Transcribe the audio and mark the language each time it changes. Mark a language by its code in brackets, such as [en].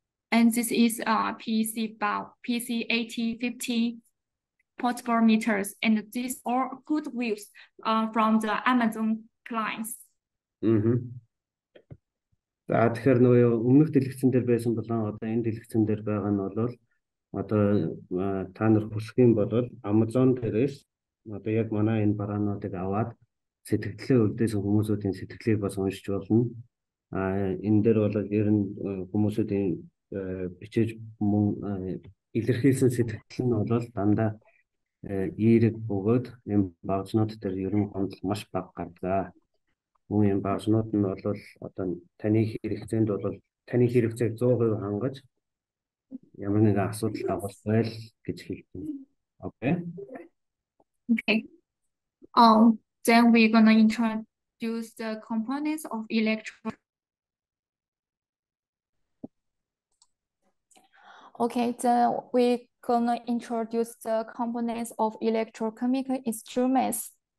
[en] And this is PC about PC8050 portable meters, and these are good views from the Amazon clients. Mm-hmm. [mn] За тэгэхээр нөгөө өмнөх дэлгэцэн дээр байсан болон одоо энэ дэлгэцэн дээр байгаа нь бол одоо та нар хүсэх юм бол Amazon дээрээс одоо яг манай энэ бараануудыг аваад сэтгэлээ өвдөсөн хүмүүсийн сэтгэлийг бас уншиж болно. А энэ дээр бол ер нь хүмүүсийн бичиж мөн илэрхийлсэн сэтгэл нь бол дандаа ирэг бөгөөд энэ багажнууд дээр ер нь гондол маш бага гардаг. Мөн энэ багажнууд нь бол одоо таны хэрэгцээнд бол таны хэрэгцээг 100% хангаж ямар нэгэн асуудал тохиолдох байл гэж хэлсэн. Окей. Okay. [en] Then we're going to introduce the components of electronic. Okay, then we're gonna introduce the components of electrochemical instruments.